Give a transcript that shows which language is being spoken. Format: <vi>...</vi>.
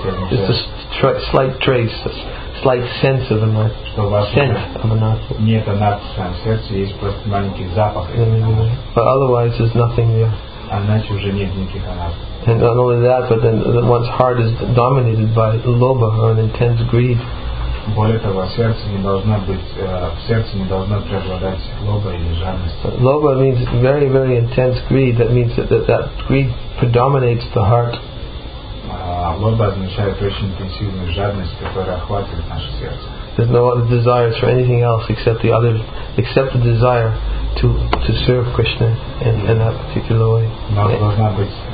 <en>Just a slight trace, a slight sense of anarthas. But otherwise, there's nothing there. And not only that, but then one's heart is dominated by loba or an intense greed.</en> <ru>Более того, сердце не должно быть, сердце не должно преобладать лоба или жадность.</ru> <en>Лоба means very, very intense greed. That means that greed predominates the heart.</en> <ru>Лоба означает очень интенсивную жадность, которая охватывает наше сердце.</ru> <en>There's no other desires for anything else except the desire to serve Krishna in that particular way.</en>